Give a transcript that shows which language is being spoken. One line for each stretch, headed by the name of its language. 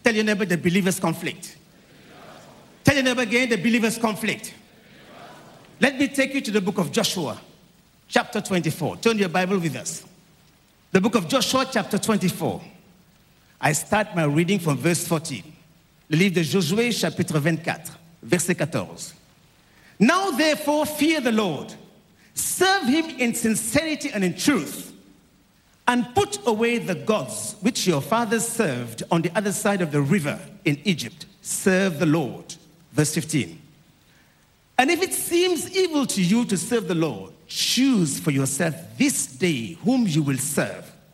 English: Tell your neighbor, the believer's conflict. Tell your neighbor again, the believer's conflict. Let me take you to the book of Joshua, chapter 24. Turn your Bible with us. The book of Joshua, chapter 24. I start my reading from verse 14.
French: Le livre de Josué, chapitre 24, verset 14.
English: Now therefore, fear the Lord. Serve him in sincerity and in truth. And put away the gods which your fathers served on the other side of the river in Egypt. Serve the Lord. Verse 15. And if it seems evil to you to serve the Lord, choose for yourself this day whom you will serve.